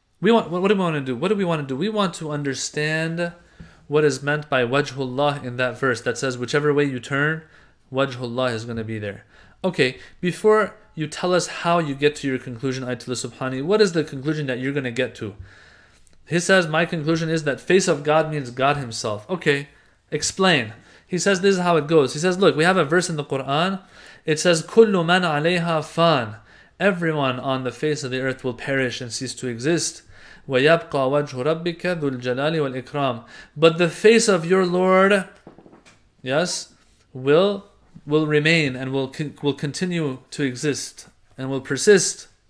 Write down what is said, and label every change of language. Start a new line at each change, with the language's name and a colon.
English: What do we want to do? We want to understand what is meant by wajhullah in that verse that says whichever way you turn, wajhullah is going to be there. Okay, before you tell us how you get to your conclusion, Ayatollah Subhani, what is the conclusion that you're going to get to? He says, my conclusion is that face of God means God himself. Okay, explain. He says, this is how it goes. He says, look, we have a verse in the Quran. It says,
Arabic: كُلُّ مَنْ عَلَيْهَا فَانٍ.
English: Everyone on the face of the earth will perish and cease to exist.
Arabic: وَيَبْقَى وَجْهُ رَبِّكَ ذُو الْجَلَالِ وَالْإِكْرَامِ.
English: But the face of your Lord, yes, will remain and will continue to exist and will persist.